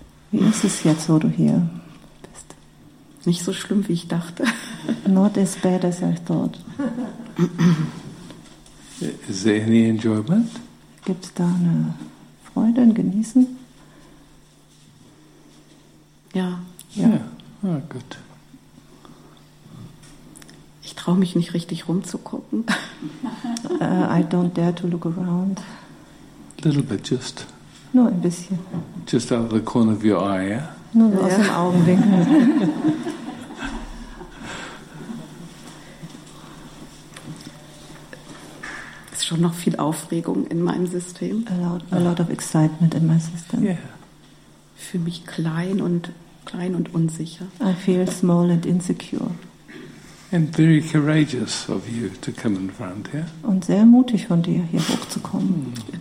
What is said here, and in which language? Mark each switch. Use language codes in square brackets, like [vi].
[de] Wie ist es jetzt, wo du hier bist? Nicht so schlimm, wie ich dachte. [en] Not as bad as I thought. Is there any enjoyment? [de] Gibt es da eine Freude, ein Genießen? Ja. Ja. [en] Ah, yeah. [de] Oh, gut. Ich traue mich nicht richtig rumzugucken. [en] I don't dare to look around. A little bit, just... [de] Nur ein bisschen. [en] Just out of the corner of your eye, yeah? [de] Nur aus dem Augenwinkel. Es ist schon noch viel Aufregung in meinem System. [en] A lot of excitement in my system. Yeah. [de] Ich fühle mich klein und unsicher. [en] I feel small and insecure. And very courageous of you to come in front, yeah? [de] Und sehr mutig von dir, hier hochzukommen.